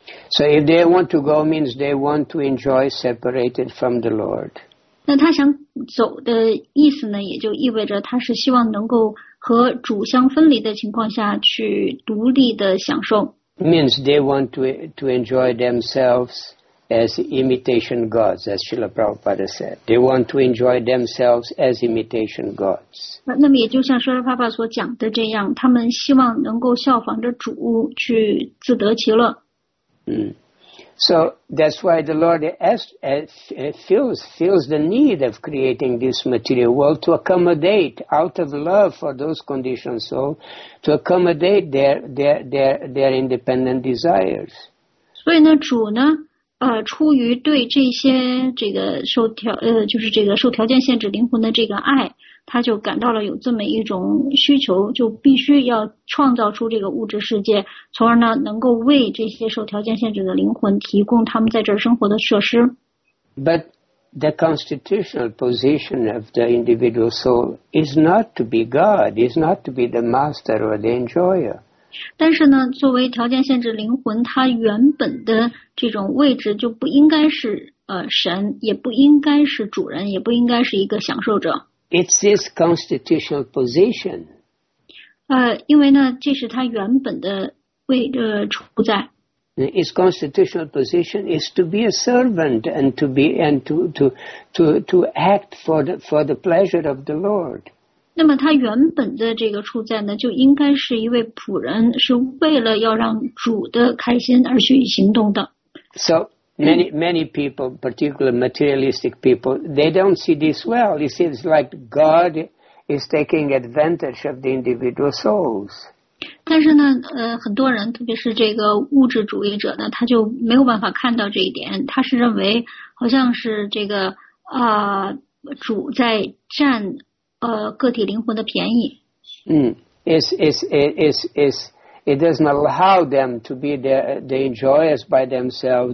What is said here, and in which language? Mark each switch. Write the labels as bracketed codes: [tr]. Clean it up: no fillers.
[en] So if they want to go, means they want to enjoy separated from the Lord. [zh] 那他想走的意思呢，也就意味着他是希望能够和主相分离的情况下去独立的享受。 [en] Means they want to enjoy themselves as imitation gods, as Srila Prabhupada said. They want to enjoy themselves as imitation gods. [zh] 那么也就像Srila Prabhupada所讲的这样，他们希望能够效仿着主去自得其乐。 [en] So that's why the Lord feels the need of creating this material world to accommodate, out of love for those conditioned souls, to accommodate their independent desires. [zh] 所以呢，主呢，出于对这些这个受条就是这个受条件限制灵魂的这个爱，他就感到了有这么一种需求，就必须要创造出这个物质世界，从而呢能够为这些受条件限制的灵魂提供他们在这儿生活的设施。 [en] But the constitutional position of the individual soul is not to be God, is not to be the master or the enjoyer. [zh] 但是呢，作为条件限制灵魂，它原本的这种位置就不应该是神，也不应该是主人，也不应该是一个享受者。 [en] It's this constitutional position. [zh] 因为呢，这是他原本的位处在。 [en] His constitutional position is to be a servant and to act for the pleasure of the Lord. [zh] 那么他原本的这个处在呢，就应该是一位仆人，是为了要让主的开心而去行动的。 [en] So. Many people, particularly materialistic people, they don't see this well. It seems like God is taking advantage of the individual souls. [zh] 但是呢，很多人，特别是这个物质主义者呢，他就没有办法看到这一点。他是认为好像是这个主在占个体灵魂的便宜。 [en] It doesn't allow them to be the enjoyers by themselves.